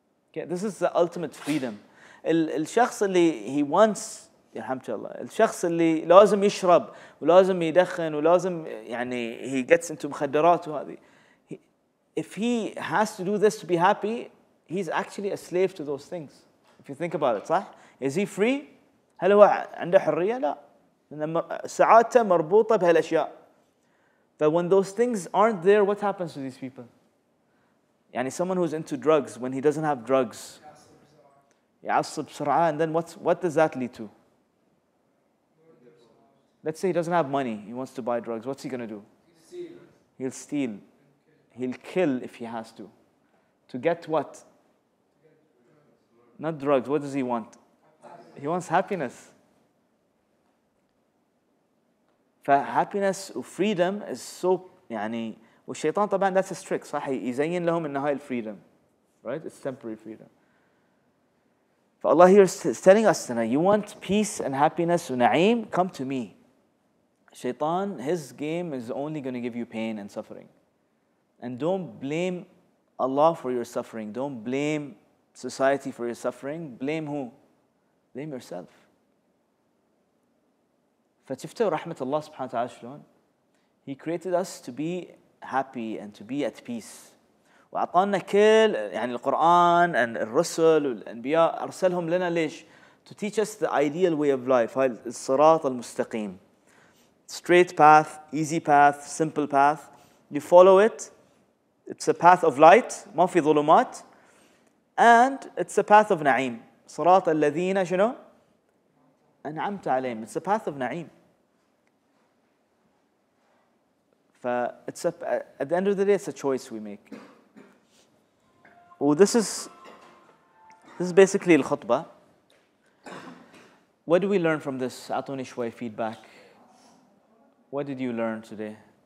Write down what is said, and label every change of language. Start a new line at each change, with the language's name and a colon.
English: Okay, this is the ultimate freedom.
Arabic: الشخص اللي
English: he wants,
Arabic: يرحمك الله, الشخص اللي لازم يشرب ولازم يدخن ولازم يعني
English: he gets into
Arabic: مخدرات وهذه.
English: If he has to do this to be happy, he's actually a slave to those things. If you think about it, صح? Is he free?
Arabic: هل هو عنده حرية؟ لا. سعادته مربوطة بهالأشياء.
English: But when those things aren't there, what happens to these people? يعني someone who's into drugs, when he doesn't have drugs,
Arabic: يعصب بسرعة,
English: and then what does that lead to? Let's say he doesn't have money, he wants to buy drugs, what's he going to do? He'll steal. He'll kill if he has to. To get what? Not drugs, what does he want? He wants happiness. Happiness and freedom is so, يعني,
Arabic: والشيطان طبعا,
English: that's a trick, صح?
Arabic: يزين لهم إن هاي الفريدم,
English: right? It's temporary freedom. فالله here is telling us, you want peace and happiness and na'im, come to me. Shaitan, his game is only going to give you pain and suffering. And don't blame Allah for your suffering. Don't blame society for your suffering. Blame who? Blame yourself.
Arabic: فشفتوا رحمة الله سبحانه وتعالى شلون؟
English: He created us to be happy and to be at peace.
Arabic: وعطانا كل يعني القرآن and الرسل والأنبياء أرسلهم لنا ليش؟
English: To teach us the ideal way of life.
Arabic: هاي الصراط المستقيم.
English: Straight path, easy path, simple path. You follow it. It's a path of light.
Arabic: ما في ظلمات.
English: And it's a path of na'im.
Arabic: صراط الذين شنو؟ أنعمت عليهم.
English: It's a path of na'im. At the end of the day, it's a choice we make. This is basically الخطبة. What do we learn from this?
Arabic: أعطوني شوي
English: feedback. What did you learn today?